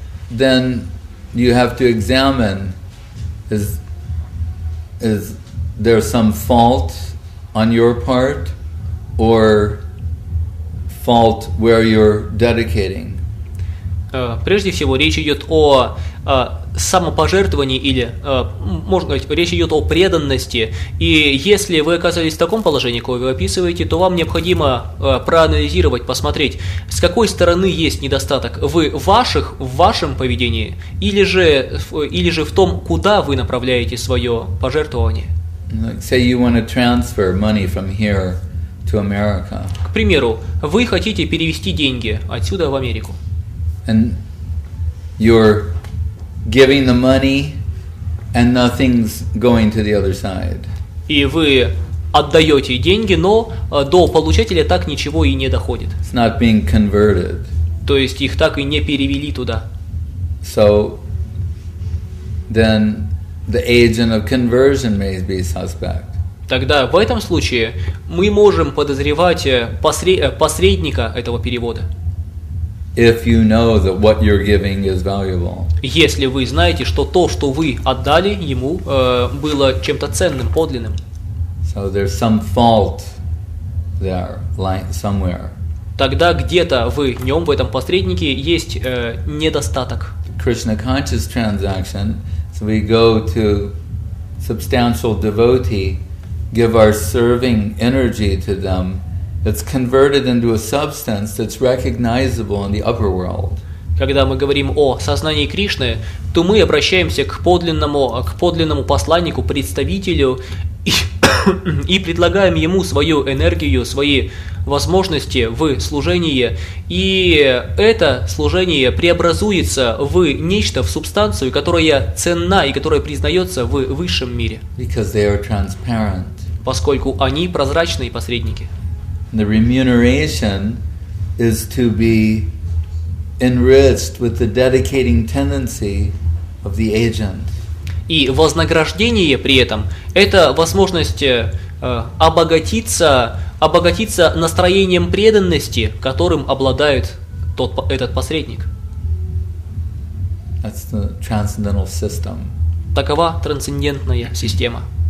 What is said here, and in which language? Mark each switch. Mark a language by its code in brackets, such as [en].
[en] Then you have to examine, is there some fault on your part or fault where you're dedicating? [ru] Прежде всего, речь идет о самопожертвовании или, можно сказать, речь идет о преданности. И если вы оказались в таком положении, какое вы описываете, то вам необходимо проанализировать, посмотреть, с какой стороны есть недостаток в ваших, в вашем поведении или же в том, куда вы направляете свое пожертвование. [en] Like, say you want to transfer money from here to America. [ru] К примеру, вы хотите перевести деньги отсюда в Америку. [en] And you're giving the money, and nothing's going to the other side. [ru] И вы отдаете деньги, но до получателя так ничего и не доходит. [en] It's not being converted. [ru] То есть их так и не перевели туда. [en] So then the agent of conversion may be suspect. [ru] Тогда в этом случае мы можем подозревать посредника этого перевода. [en] If you know that what you're giving is valuable. [ru] Если вы знаете, что то, что вы отдали ему, было чем-то ценным, подлинным. [en] So there's some fault there, like somewhere. [ru] Тогда где-то в нем, в этом посреднике, есть недостаток. [en] Krishna conscious transaction, so we go to substantial devotee, give our serving energy to them. It's converted into a substance that's recognizable in the upper world. [ru] Когда мы говорим о сознании Кришны, то мы обращаемся к подлинному посланнику, представителю и предлагаем ему свою энергию, свои возможности в служении, и это служение преобразуется в нечто, в субстанцию, которая ценна и которая признается в высшем мире. [en] Because they are transparent. [ru] Поскольку они прозрачные посредники. [en] The remuneration is to be enriched with the dedicating tendency of the agent. [ru] И вознаграждение при этом – это возможность обогатиться настроением преданности, которым обладает этот посредник. [en] That's the transcendental system. [ru] Такова трансцендентная система.